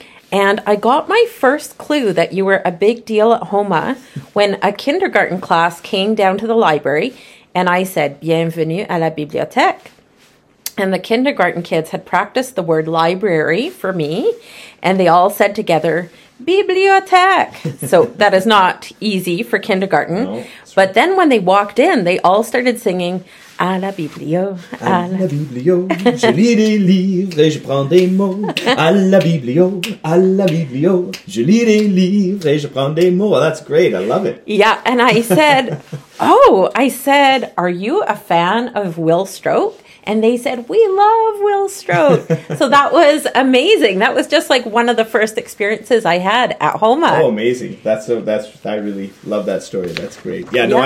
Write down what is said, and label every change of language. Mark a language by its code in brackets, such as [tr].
[en] And I got my first clue that you were a big deal at Houma when a kindergarten class came down to the library and I said, [fr] "Bienvenue à la bibliothèque." [en] And the kindergarten kids had practiced the word library for me, and they all said together, "Bibliothèque." So that is not easy for kindergarten. No, but right. Then when they walked in, they all started singing, [fr] "À la biblio, à la biblio, je lis des livres et je prends des mots. À la biblio, je lis des livres et je prends des mots." [en] Well, that's great. I love it. Yeah. And I said, "Are you a fan of Will Strout?" And they said, "We love Will Strout." So that was amazing. That was just like one of the first experiences I had at Houma. Oh, amazing. I really love that story. That's great. Yeah, no, yeah.